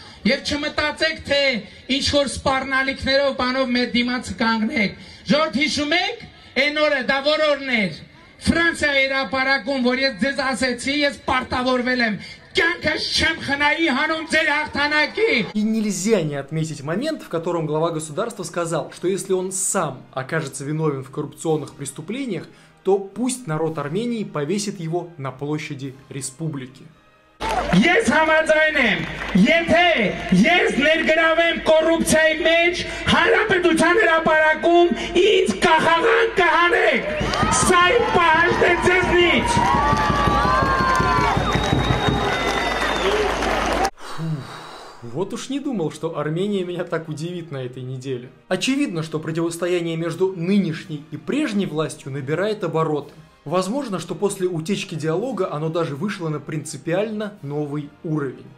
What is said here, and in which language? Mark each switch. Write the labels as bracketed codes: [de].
[hy] Եվ չմտածեք, թե ինչ-որ սպառնալիքներով բանով մեր դիմացը կանգնեք։ Ժողովուրդ, հիշում եք, այն օրը դա որ օրն էր։ Ֆրանսիա հրապարակում, որ ես ձեզ ասեցի, ես պարտավորվել եմ։ [ru] И нельзя не отметить момент, в котором глава государства сказал, что если он сам окажется виновен в коррупционных преступлениях, то пусть народ Армении повесит его на площади республики. [hy] Ես համաձայն եմ, եթե ես ներգրավեմ կոռուպցիայի մեջ հանրապետության հրապարակում, ինձ կախաղան կհանեք, սա իմ պահանջն է ձեզնից։ [ru] Вот уж не думал, что Армения меня так удивит на этой неделе. Очевидно, что противостояние между нынешней и прежней властью набирает обороты. Возможно, что после утечки диалога оно даже вышло на принципиально новый уровень.